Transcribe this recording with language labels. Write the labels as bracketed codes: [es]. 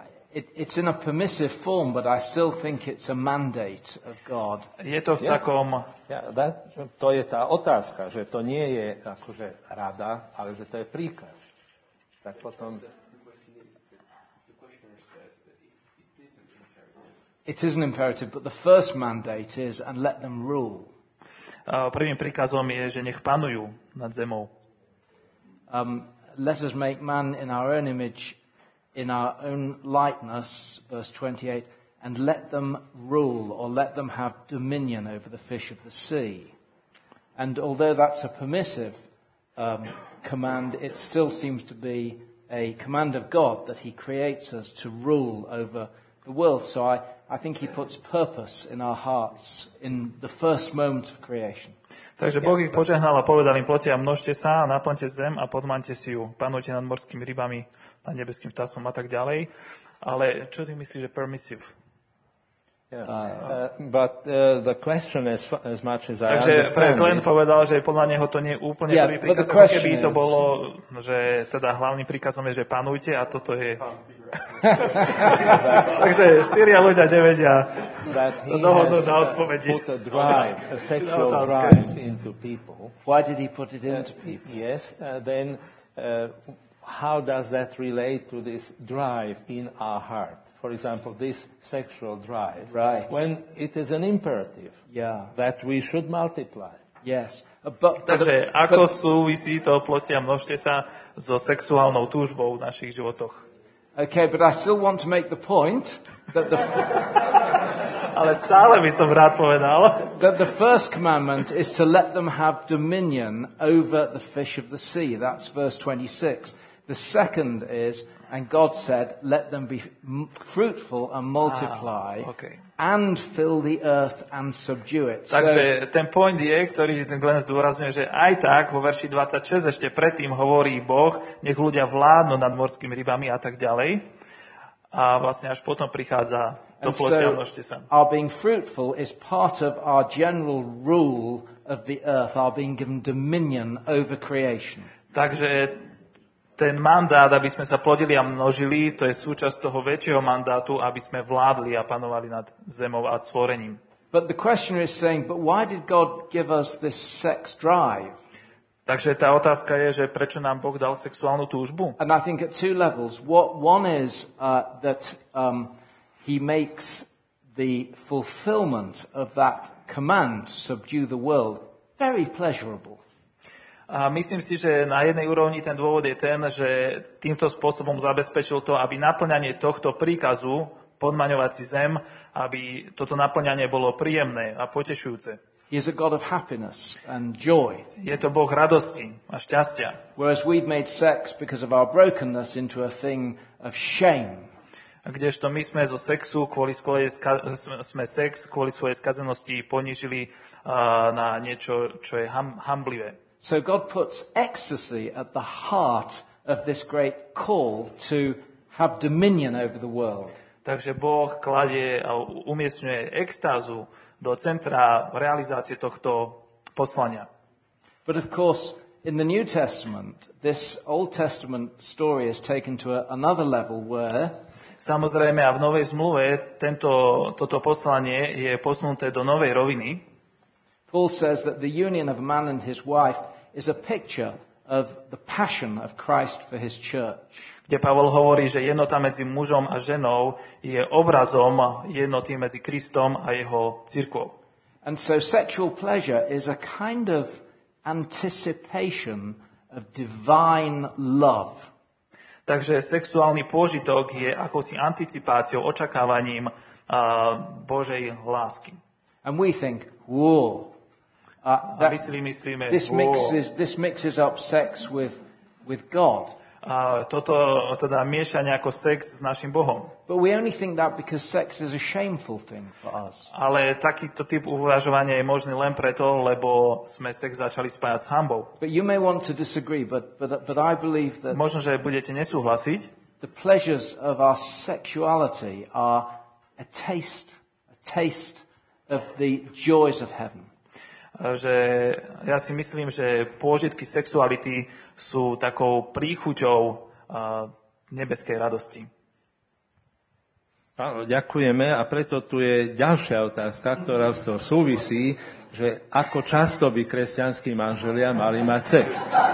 [en] It's in a permissive form, but I still think it's a mandate of God. [sk] Je to v takom... To je tá otázka, že to nie je akože rada, ale že to je príkaz. Tak potom... [en] It is an imperative, but the first mandate is and let them rule. [sk] Prvým príkazom je, že nech panujú nad zemou. [en] Let us make man in our own image, in our own likeness, verse 28, and let them rule or let them have dominion over the fish of the sea. And although that's a permissive command, it still seems to be a command of God that he creates us to rule over the world. So I think he puts purpose in our hearts in the first moment of creation. [sk] Takže Boh ich požehnal a povedal im, poďte a množte sa, naplňte zem a podmaňte si ju, panujte nad morskými rybami, nad nebeským vtáctvom a tak ďalej. Ale čo ty myslíš, že permissive? [en] The question is, as much as I understand. [sk] Takže Glenn povedal, že podľa neho to nie je úplne prvý príkaz, ako keby to bolo, že teda hlavným príkazom je, že panujte a toto je... Takže štyria ľudia nevedia sa dohodnú na odpovedi. [en] Put a drive, a sexual drive into people. Why did he put it into people? Yes, then how does that relate to this drive in our heart? For example, this sexual drive. Right. When it is an imperative that we should multiply. Yes. [sk] Takže ako súvisí to plotie a množte sa so sexuálnou túžbou v našich životoch? [en] Okay, but I still want to make the point that the [sk] ale stále by som rád povedal [en] that the first commandment is to let them have dominion over the fish of the sea. That's verse 26. The second is, and God said, let them be fruitful and multiply and fill the earth and subdue it. [sk] Takže so, ten point je, ktorý ten Glenn zdôrazňuje, že aj tak vo verši 26 ešte predtým hovorí Boh, nech ľudia vládnu nad morskými rybami a tak ďalej. A vlastne až potom prichádza to plotie, množte sa. [en] Our being fruitful is part of our general rule of the earth, our being given dominion over creation. [sk] Takže ten mandát, aby sme sa plodili a množili, to je súčasť toho väčšieho mandátu, aby sme vládli a panovali nad zemou a stvorením. [en] But the questioner is saying, but why did God give us this sex drive? [sk] Takže tá otázka je, že prečo nám Boh dal sexuálnu túžbu? [en] And I think at two levels. What one is that he makes the fulfillment of that command to subdue the world very pleasurable. [sk] A myslím si, že na jednej úrovni ten dôvod je ten, že týmto spôsobom zabezpečil to, aby naplňanie tohto príkazu podmaňovať si zem, aby toto naplňanie bolo príjemné a potešujúce. [en] He is a God of happiness and joy. [sk] Je to Boh radosti a šťastia. [en] Whereas we've made sex because of our brokenness into a thing of shame. [sk] Kdežto my sme zo sexu kvôli svojej skazenosti ponížili na niečo, čo je hamblivé. [en] So God puts ecstasy at the heart of this great call to have dominion over the world. [sk] Takže Boh kladie a umiestňuje extázu do centra realizácie tohto poslania. [en] But of course, in the New Testament, this Old Testament story is taken to another level where [sk] samozrejme a v Novej zmluve toto poslanie je posunuté do novej roviny. [en] Paul says that the union of a man and his wife is a picture of the passion of Christ for his church. [sk] Kde Pavol hovorí, že jednota medzi mužom a ženou je obrazom jednoty medzi Kristom a jeho cirkvou. [en] And so sexual pleasure is a kind of anticipation of divine love. [sk] Takže sexuálny pôžitok je akousi anticipáciou, očakávaním Božej lásky. [en] And we think, whoa, [sk] A my si myslíme, [en] this mixes up sex with God. [sk] A toto teda mieša nejako sex s našim Bohom. [en] But we only think that because sex is a shameful thing for us. [sk] Ale takýto typ uvažovania je možný len preto, lebo sme sex začali spájať s hanbou. [en] But you may want to disagree, but I believe that [sk] možno, že budete nesúhlasiť. [en] The pleasures of our sexuality are a taste of the joys of heaven. [sk] Že ja si myslím, že pôžitky sexuality sú takou príchuťou nebeskej radosti. Áno, ďakujeme. A preto tu je ďalšia otázka, ktorá s tým súvisí, že ako často by kresťanskí manželia mali mať sex?